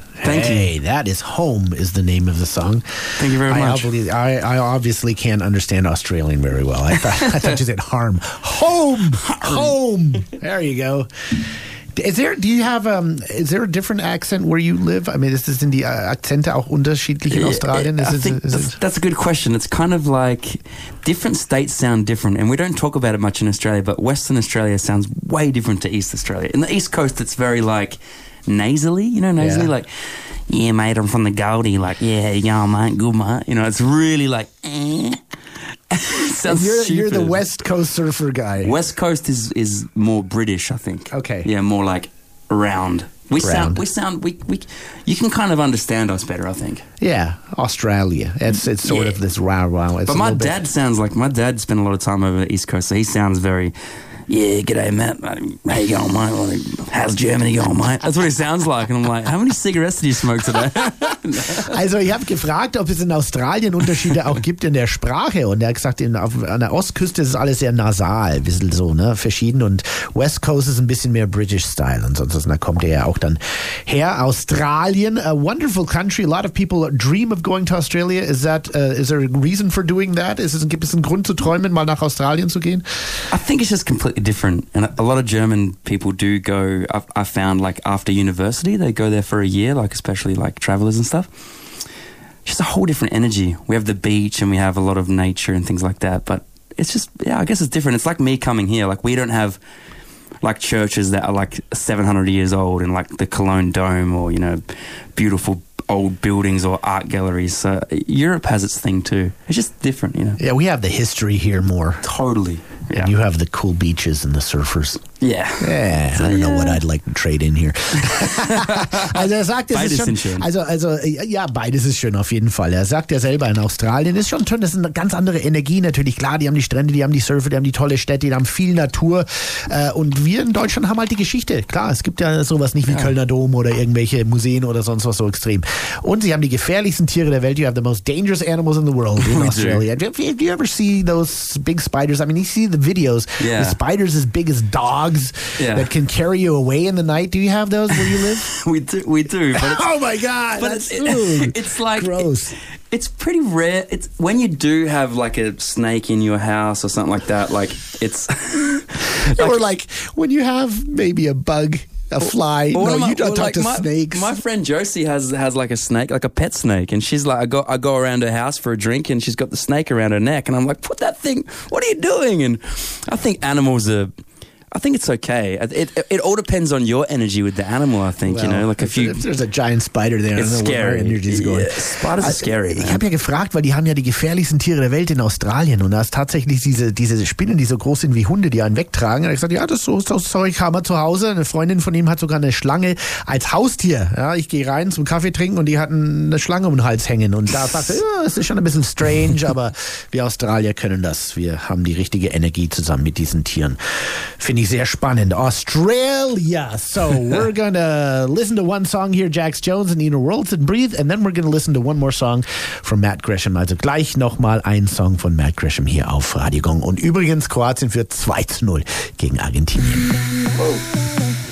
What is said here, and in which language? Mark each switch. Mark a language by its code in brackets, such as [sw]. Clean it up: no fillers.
[en] Thank you. That is Home is the name of the song. Thank you very much. I obviously can't understand Australian very well. I thought you said harm. Home. Home. There you go. Is there a different accent where you live? I mean, [de] sind die Akzente auch unterschiedlich in Australien? [en] That's a good question. It's kind of like different states sound different, and we don't talk about it much in Australia, but Western Australia sounds way different to East Australia. In the East Coast, it's very like nasally, you know, nasally, yeah. Like, yeah, mate, I'm from the Goldie, like, yeah, yeah, mate, good, mate. You know, it's really like, sounds stupid. You're the West Coast surfer guy. West Coast is more British, I think. Okay. Yeah, more like round. We sound, you can kind of understand us better, I think. Yeah, Australia. It's sort of this rah, rah. But my dad sounds like, my dad spent a lot of time over the East Coast, so he sounds very, yeah, g'day, Matt. How you going, mate? Like, how's Germany going, mate? That's what it sounds like. And I'm like, how many cigarettes did you smoke today? [de] Also, ich habe gefragt, ob es in Australien Unterschiede auch gibt in der Sprache. Und er hat gesagt, an der Ostküste ist alles sehr nasal, ein bisschen so, ne, verschieden. Und West Coast ist ein bisschen mehr British Style. Ansonsten, da kommt er ja auch dann her. [en] Australien, a wonderful country. A lot of people dream of going to Australia. Is there a reason for doing that? [de] Gibt es einen Grund zu träumen, mal nach Australien zu gehen? [en] I think it's just completely different. And a lot of German people do go, I found, like, after university, they go there for a year, like, especially, like, travelers and stuff. Just a whole different energy. We have the beach and we have a lot of nature and things like that, but it's just, yeah, I guess it's different. It's like me coming here. Like, we don't have like churches that are like 700 years old and like the Cologne Dome or, you know, beautiful old buildings or art galleries. So Europe has its thing too. It's just different, you know. Yeah, we have the history here more. Totally. Yeah. And you have the cool beaches and the surfers. Yeah. Yeah. So, I don't know what I'd like to trade in here. [de] Also er sagt, beides ist schon, schön. Also, ja, beides ist schön auf jeden Fall. Er sagt ja selber, in Australien ist schon schön, das ist eine ganz andere Energie natürlich. Klar, die haben die Strände, die haben die Surfer, die haben die tolle Städte, die haben viel Natur. Und wir in Deutschland haben halt die Geschichte. Klar, es gibt ja sowas nicht wie Kölner Dom oder irgendwelche Museen oder sonst was so extrem. Und sie haben die gefährlichsten Tiere der Welt. [en] You have the most dangerous animals in the world in Australia. Do you ever see those big spiders? I mean, you see the videos, yeah. The spiders as big as dogs, yeah, that can carry you away in the night. Do you have those where you live? We do. But it's, oh my God! But it's like gross. It's pretty rare. It's when you do have like a snake in your house or something like that. Like it's like, or like when you have maybe a bug, a fly. Or no, you don't talk like to snakes. My friend Josie has like a snake, like a pet snake, and she's like, I go around her house for a drink, and she's got the snake around her neck, and I'm like, put that thing. What are you doing? And I think animals are. I think it's okay. It all depends on your energy with the animal, I think, well, you know. Like if there's a giant spider there, it's scary. Energy's going. Yeah. Spiders are scary, man. [de] Ich habe ja gefragt, weil die haben ja die gefährlichsten Tiere der Welt in Australien und da ist tatsächlich diese Spinnen, die so groß sind wie Hunde, die einen wegtragen. Und ich sagte, ja, das kam er zu Hause. Eine Freundin von ihm hat sogar eine Schlange als Haustier. Ja, ich gehe rein zum Kaffee trinken und die hatten eine Schlange um den Hals hängen. Und da sagte ich, ja, das ist schon ein bisschen strange, aber wir Australier können das. Wir haben die richtige Energie zusammen mit diesen Tieren. Sehr spannend. Australia. [en] So we're going to listen to one song here, Jax Jones and Ina Worlds and Breathe, and then we're going to listen to one more song from Matt Gresham. [de] Also gleich nochmal ein Song von Matt Gresham hier auf Radio Gong. Und übrigens, Kroatien führt 2-0 gegen Argentinien. Whoa.